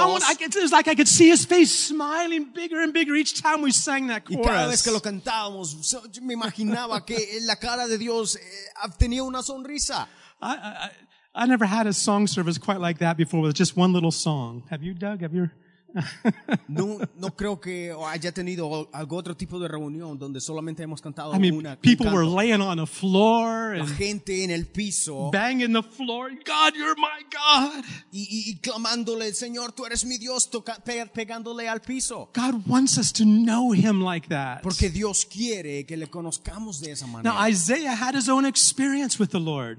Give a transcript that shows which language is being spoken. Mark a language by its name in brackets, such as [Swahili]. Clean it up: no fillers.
[English] It was like I could see his face smiling bigger and bigger each time we sang that chorus. [Spanish] Y cada vez que lo cantábamos, me imaginaba que la cara de Dios tenía una sonrisa. [English] I never had a song service quite like that before with just one little song. Have you, Doug? Have you? [Spanish] No creo que haya tenido algún otro tipo de reunión donde solamente hemos cantado una. [English] I mean, people were laying on the floor. [Spanish] La gente en el piso. [English] Banging the floor. God, you're my God. [Spanish] Y clamándole, Señor, tú eres mi Dios, pegándole al piso. [English] God wants us to know him like that. [Spanish] Porque Dios quiere que le conozcamos de esa manera. [English] Now, Isaiah had his own experience with the Lord.